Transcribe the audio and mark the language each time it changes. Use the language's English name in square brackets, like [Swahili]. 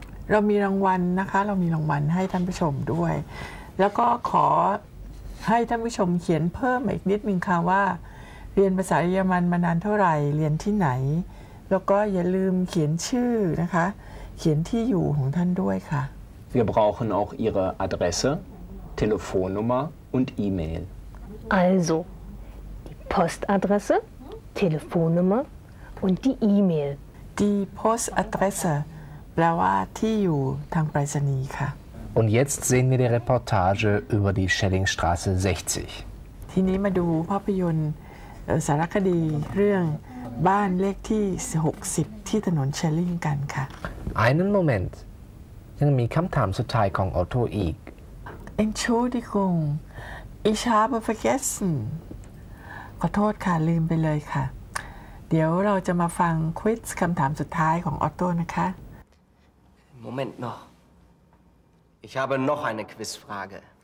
[Thai] เรามีรางวัลนะคะเรามีรางวัลให้ท่านผู้ชมด้วยแล้วก็ขอให้ท่านผู้ชมเขียนเพิ่มอีกนิดนึงค่ะว่าเรียนภาษาเยอรมันมานานเท่าไหร่เรียนที่ไหนแล้วก็อย่าลืมเขียนชื่อนะคะเขียนที่อยู่ของท่านด้วยค่ะ [German] Wir brauchen auch Ihre Adresse, Telefonnummer und E-Mail. Also, die Postadresse, Telefonnummer und die E-Mail. [Thai] Die Postadresse, แปลว่าที่อยู่ทางไปรษณีย์ค่ะ [German] Und jetzt sehen wir die Reportage über die Schellingstraße 60. [Thai] ทีนี้มาดูภาพยนตร์สารคดีเรื่องบ้านเลขที่60ที่ถนนเชลลิงกันค่ะ [German] Einen Moment. [Thai] ยังมีคำถามสุดท้ายของออโต้อีก [German] Entschuldigung. Ich habe vergessen. [Thai] ขอโทษค่ะลืมไปเลยค่ะเดี๋ยวเราจะมาฟังควิซคำถามสุดท้ายของออโต้นะคะ [German] Moment noch. Ich habe noch eine Quizfrage.